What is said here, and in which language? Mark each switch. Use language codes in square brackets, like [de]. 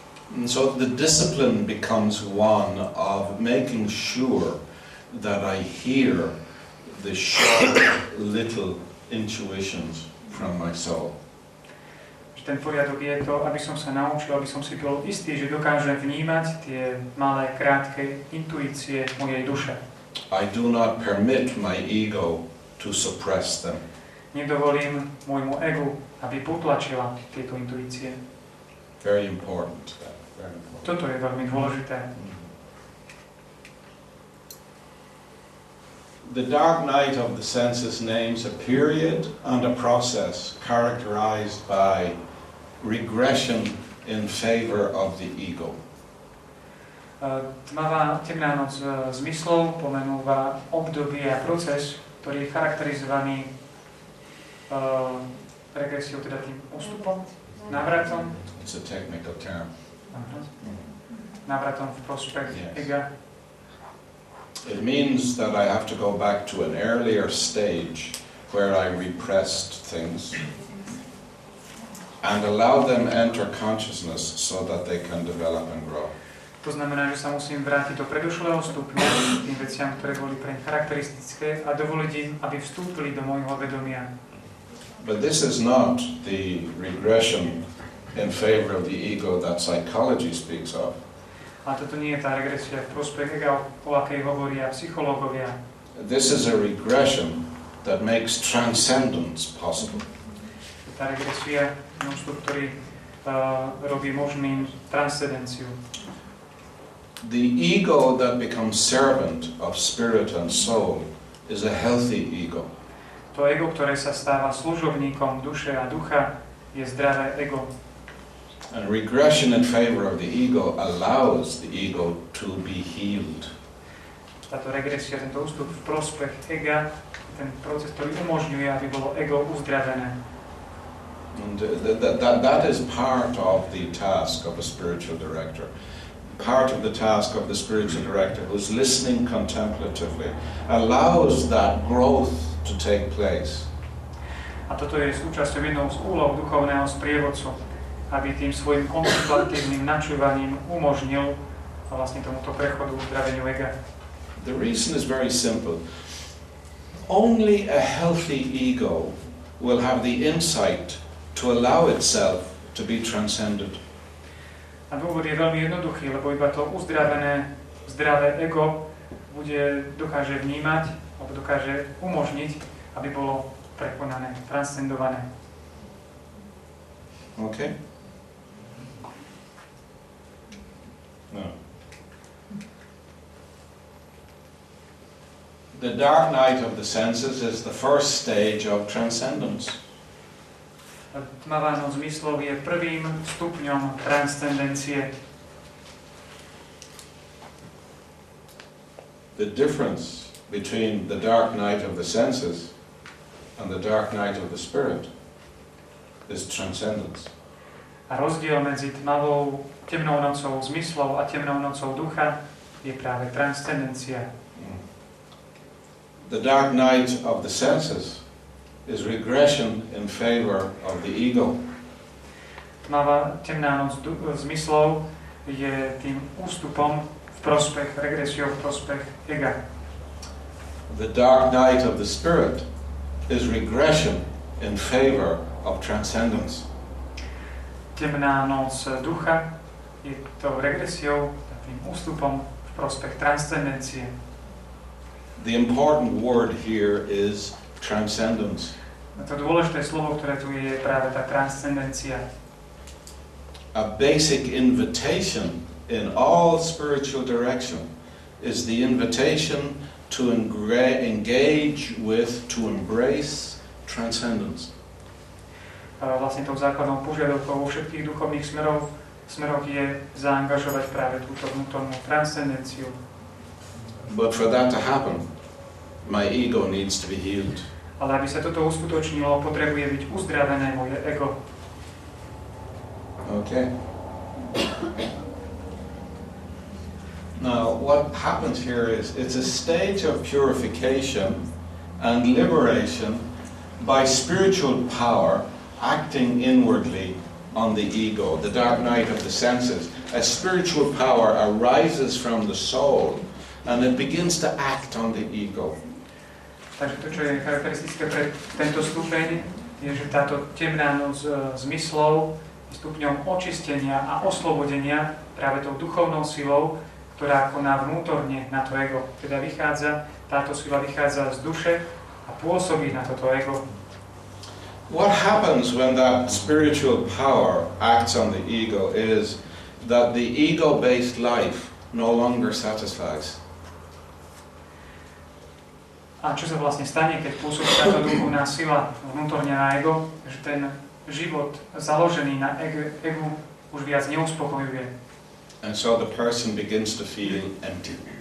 [en] And so the discipline becomes one of making sure that I hear the sharp little intuitions from my soul. [sk] Že ten poriadok je to, aby som sa naučil, aby som si bol istý, že dokážem vnímať tie malé, krátke intuície mojej duše. [en] I do not permit my ego to suppress them. [sk] Nedovolím môjmu egu, aby potlačila tieto intuície. [en] Very important. Very important. [sk] Toto je veľmi dôležité. [en] The dark night of the senses names a period and a process characterized by regression in favor of the ego. [sk] Temná noc zmyslov pomenúva obdobie a proces, ktorý je charakterizovaný regresiou, teda tým ústupom, návratom. [en] It's a technical term. [sk] Návratom v prospekt ega. [en] It means that I have to go back to an earlier stage where I repressed things and allow them enter consciousness so that they can develop and grow. [sk] To znamená, že sa musím vrátiť do predošlého stupňa tým veciam, ktoré boli pre charakteristické a dovoliť im, aby vstúpili do môjho vedomia. [en] But this is not the regression in favor of the ego that psychology speaks of. [sk] A toto nie je tá regresia v prospech ega, o akej hovoria psychológovia. [en] This is a regression that makes transcendence possible. [sk] Tá regresia, ktorý robí možným transcendenciu. [en] The ego that becomes servant of spirit and soul is a healthy ego. [sk] To ego, ktoré sa stáva služobníkom duše a ducha, je zdravé ego. [en] And regression in favor of the ego allows the ego to be healed. [sk] Táto regresia, tento ústup v prospech ega, ten proces, ktorý umožňuje, aby bolo ego uzdravené. [en] And that is part of the task of a spiritual director. Part of the task of the spiritual director who's listening contemplatively allows that growth to take place. [sk] A toto je súčasťou jednou z úloh duchovného sprievodcu, aby tým svojim kontemplatívnym načúvaním umožnil vlastne tomuto prechodu uzdraveniu ega. [en] The reason is very simple. Only a healthy ego will have the insight to allow itself to be transcended. [sk] A dôvod je veľmi jednoduchý, lebo iba to uzdravené, zdravé ego bude, dokáže vnímať, alebo dokáže umožniť, aby bolo prekonané, transcendované. OK. No. [en] The dark night of the senses is the first stage of transcendence. [sk] Tmavá noc zmyslov je prvým stupňom transcendencie. [en] The difference between the dark night of the senses and the dark night of the spirit is transcendence. [sk] A rozdiel medzi tmavou, temnou nocou zmyslov a temnou nocou ducha je práve transcendencia. [en] The dark night of the senses is regression in favor of the ego. [sk] Tmavá, temná noc zmyslov je tým ústupom v prospech, regresiou v prospech ega. [en] The dark night of the spirit is regression in favor of transcendence. [sk] Temná noc ducha je tou regresiou, tým ústupom v prospech transcendencie. [en] The important word here is transcendence. [sk] A to dôležité slovo, ktoré tu je, je práve tá transcendencia. [en] A basic invitation in all spiritual direction is the invitation to engage with, to embrace transcendence. [sk] A vlastne tou základnou požiadavkou vo všetkých duchovných smeroch je zaangažovať práve túto vnútornú transcendenciu. [en] But for that to happen, my ego needs to be healed. [sk] Ale aby sa toto uskutočnilo, potrebuje byť uzdravené moje ego. Okay. [en] Now, what happens here is, it's a stage of purification and liberation by spiritual power acting inwardly on the ego, the dark night of the senses. A spiritual power arises from the soul and it begins to act on the ego. [sk] Takže to, čo je charakteristické pre tento stupeň, je, že táto temná noc zmyslov je stupňom očistenia a oslobodenia práve tou duchovnou silou, ktorá koná vnútorne na to ego. Teda vychádza, táto sila vychádza z duše a pôsobí na toto ego. [en] What happens when that spiritual power acts on the ego is that the ego-based life no longer satisfies. [sk] A čo sa vlastne stane, keď pôsobí táto duchovná sila vnútorne na ego, že ten život založený na ego už viac neuspokojuje. [en] And so the person begins to feel empty.